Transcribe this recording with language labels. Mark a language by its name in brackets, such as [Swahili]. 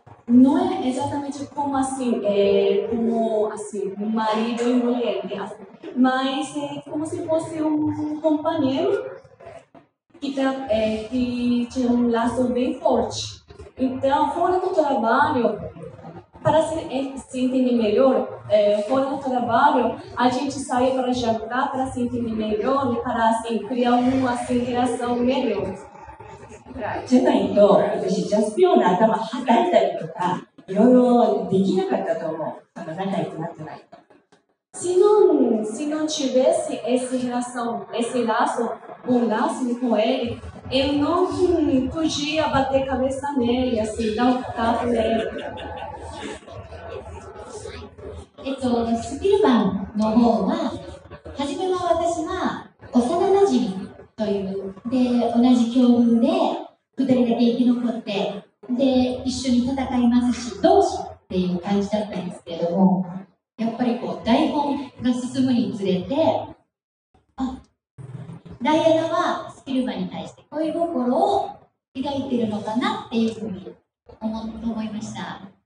[Portuguese] Não é exatamente como assim, é como assim, marido e mulher, mas é como se fosse um companheiro que, tá, é, que tinha um laço bem forte. Então, fora do trabalho, para se entender melhor, é, fora do trabalho, a gente sai para jantar para se entender melhor e para assim, criar uma assim, relação melhor. [Japanese] じゃないと、私、ジャスピオンの頭はたいたりとか、いろいろできなかったと思う。あの仲良くなってないと。 [Portuguese] Se não tivesse essa relação, esse laço, um laço com ele, eu não podia bater cabeça nele, assim, dar um tapa nele. [Japanese] スピルマンの方は、はじめは私は幼馴染という、で、同じ境遇で、二人だけ生き残って、で、一緒に戦いますし、同士っていう感じだったんですけれども、やっぱりこう、台本が進むにつれて、あ、ダイアナはスピルマンに対して恋心を抱いてるのかなっていうふうに思いました。